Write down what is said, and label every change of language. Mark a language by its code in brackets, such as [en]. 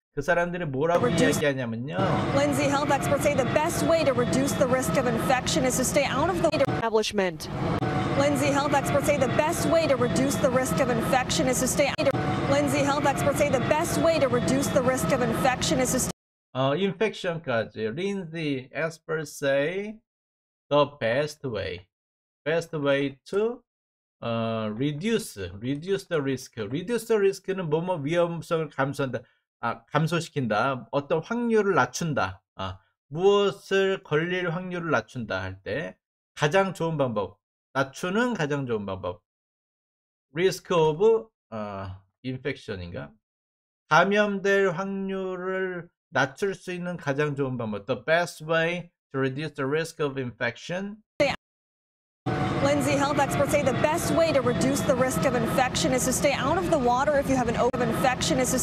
[ko] 그 사람들이 뭐라고 이야기하냐면요. [en] Lindsay, health experts say the best way to reduce the risk of infection is to stay out of the establishment. Lindsay, health experts say the best way to reduce the risk of infection is to stay. Lindsay, health experts say the best way to reduce the risk of infection is to. Infection까지. Lindsay, experts say the best way. Best way to reduce the risk. [ko] Reduce the risk는 뭐 위험성을 감소한다. 감소시킨다. 어떤 확률을 낮춘다. 무엇을 걸릴 확률을 낮춘다 할 때 가장 좋은 방법. 낮추는 가장 좋은 방법. [en] Risk of infection [ko] 인가? 감염될 확률을 낮출 수 있는 가장 좋은 방법. [en] The best way to reduce the risk of infection. Lindsay, health experts say the best way to reduce the risk of infection is to stay out of the water if you have an open infection.